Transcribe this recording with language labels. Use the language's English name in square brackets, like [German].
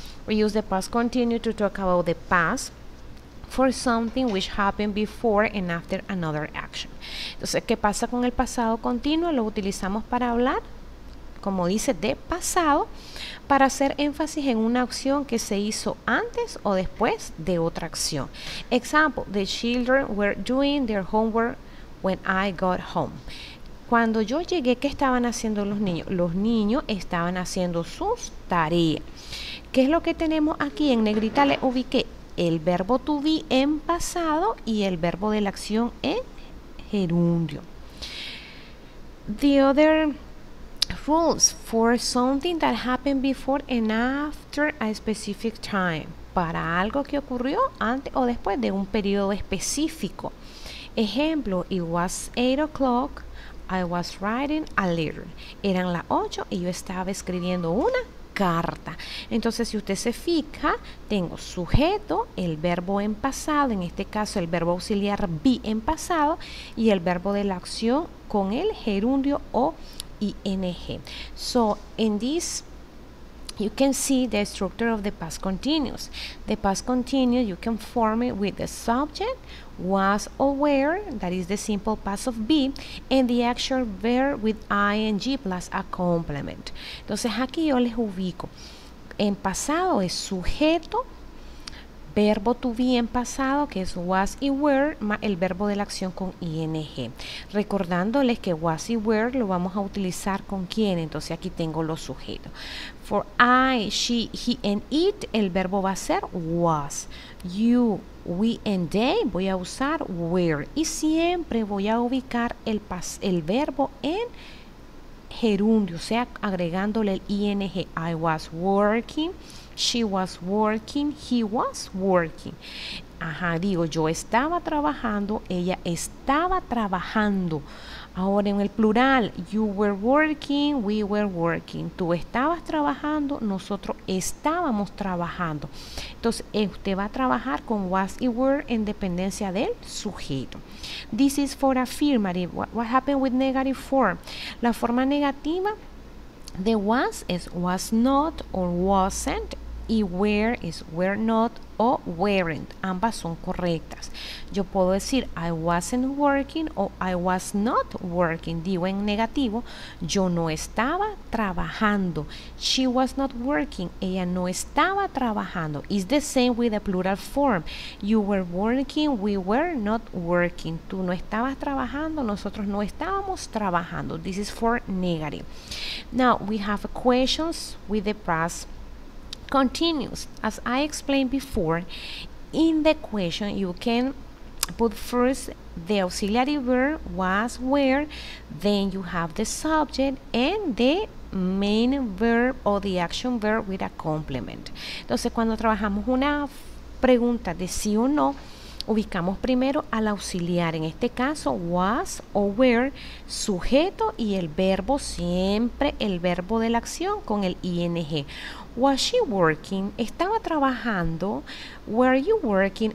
[English] We use the past continuous to talk about the past for something which happened before and after another action. [Spanish] Entonces, ¿qué pasa con el pasado continuo? Lo utilizamos para hablar, como dice, de pasado, para hacer énfasis en una acción que se hizo antes o después de otra acción. [English] Example, the children were doing their homework when I got home. [Spanish] Cuando yo llegué, ¿qué estaban haciendo los niños? Los niños estaban haciendo sus tareas. ¿Qué es lo que tenemos aquí? En negrita le ubiqué el verbo to be en pasado y el verbo de la acción en gerundio. [English] The other rules for something that happened before and after a specific time. [Spanish] Para algo que ocurrió antes o después de un periodo específico. [English] Ejemplo, it was 8 o'clock, I was writing a letter. [Spanish] Eran las 8 y yo estaba escribiendo una carta. Entonces, si usted se fija, tengo sujeto, el verbo en pasado, en este caso el verbo auxiliar be en pasado, y el verbo de la acción con el gerundio o ing. [English] So, in this, you can see the structure of the past continuous. The past continuous, you can form it with the subject, was aware, that is the simple past of be, and the actual verb with ing plus a complement. [Spanish] Entonces aquí yo les ubico. En pasado es sujeto, verbo to be en pasado, que es was y were, más el verbo de la acción con ing. Recordándoles que was y were lo vamos a utilizar con quién. Entonces aquí tengo los sujetos. [English] For I, she, he, and it, [Spanish] el verbo va a ser was. [English] You, we, and they, [Spanish] voy a usar [English] were. [Spanish] Y siempre voy a ubicar el verbo en gerundio, o sea, agregándole el ing. [English] I was working, she was working, he was working. [Spanish] Ajá, digo, yo estaba trabajando, ella estaba trabajando. Ahora en el plural, [English] you were working, we were working. [Spanish] Tú estabas trabajando, nosotros estábamos trabajando. Entonces, usted va a trabajar con was y were en dependencia del sujeto. [English] This is for affirmative. What happened with negative form? [Spanish] La forma negativa de was es [English] was not or wasn't. [Spanish] Y where is were not o weren't. Ambas son correctas. Yo puedo decir [English] I wasn't working [Spanish] o [English] I was not working. [Spanish] Digo en negativo, yo no estaba trabajando. [English] She was not working. [Spanish] Ella no estaba trabajando. [English] It's the same with the plural form. You were working, we were not working. [Spanish] Tú no estabas trabajando, nosotros no estábamos trabajando. [English] This is for negative. Now we have questions with the past continuous. As I explained before, in the question you can put first the auxiliary verb was, where, then you have the subject and the main verb or the action verb with a complement. [Spanish] Entonces, cuando trabajamos una pregunta de sí o no, ubicamos primero al auxiliar, en este caso was o were, sujeto y el verbo, siempre el verbo de la acción con el ing. [English] Was she working? [Spanish] Estaba trabajando. [English] Were you working?